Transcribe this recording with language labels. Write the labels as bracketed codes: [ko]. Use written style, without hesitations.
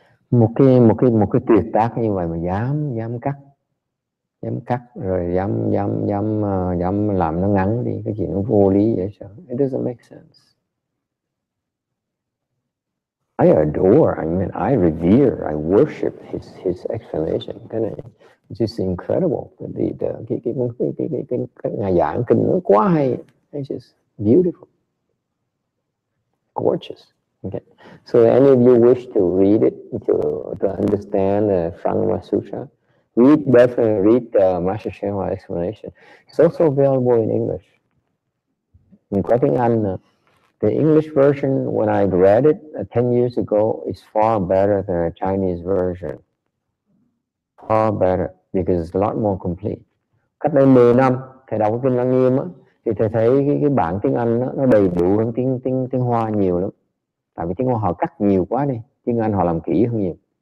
[vi] Một cái tuyệt tác như vậy mà dám cắt rồi dám làm nó ngắn đi, cái chuyện nó vô lý vậy sao? [en] It doesn't make sense. I adore, I mean, I revere, I worship his explanation. It's just incredible. [vi] The ngài giảng kinh nó quá hay. [en] It's just beautiful. Gorgeous. Okay. So any of you wish to read it, to understand the Shurangama Sutra, read Master Shenhua explanation. It's also available in English. In quoting Anna, the English version, when I read it 10 years ago, is far better than a Chinese version. Far better, because it's a lot more complete. [vi] Cách đây 10 năm, thầy đọc Kinh Lăng Nghiêm á, thì thầy thấy cái bản tiếng Anh á, nó đầy đủ hơn tiếng Hoa nhiều lắm. Tại vì tiếng Hoa họ cắt nhiều quá đi, tiếng Anh họ làm kỹ hơn nhiều.